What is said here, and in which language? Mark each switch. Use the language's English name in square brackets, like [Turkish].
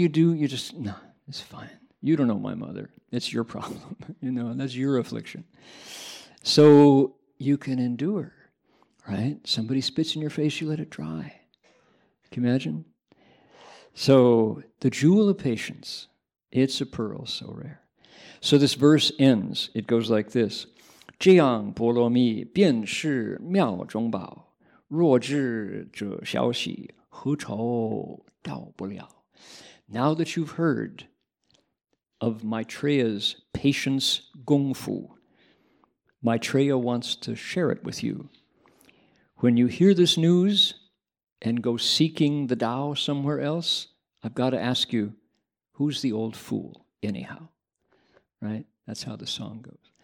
[English] You just, nah, it's fine. You don't know my mother. It's your problem, you know, and that's your affliction. So you can endure, right? Somebody spits in your face, you let it dry. Can you imagine? So the jewel of patience, it's a pearl so rare. So this verse ends. It goes like this. [Chinese] 这样菠萝蜜便是妙中宝, 若智者消息, 何愁到不了? [English] Now that you've heard of Maitreya's patience gong fu, Maitreya wants to share it with you. When you hear this news and go seeking the Tao somewhere else, I've got to ask you, who's the old fool anyhow? Right? That's how the song goes.